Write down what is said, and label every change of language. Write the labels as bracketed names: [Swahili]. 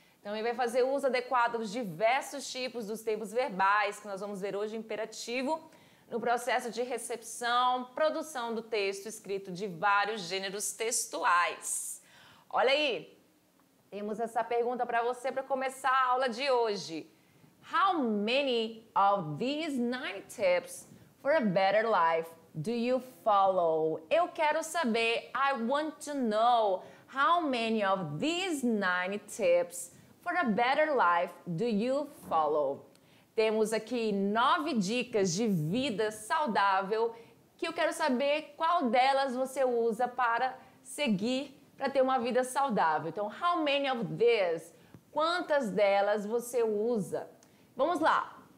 [Portuguese] Também vai fazer uso adequado dos diversos tipos dos tempos verbais, que nós vamos ver hoje imperativo, no processo de recepção, produção do texto escrito de vários gêneros textuais. Olha aí, temos essa pergunta para você para começar a aula de hoje. [English] How many of these 9 tips for a better life do you follow? [Portuguese] Eu quero saber, [English] I want to know, how many of these 9 tips for a better life do you follow? [Portuguese] Temos aqui 9 dicas de vida saudável que eu quero saber qual delas você usa para seguir para ter uma vida saudável. Então, [English] how many of these? [Portuguese] Quantas delas você usa? Vamos lá.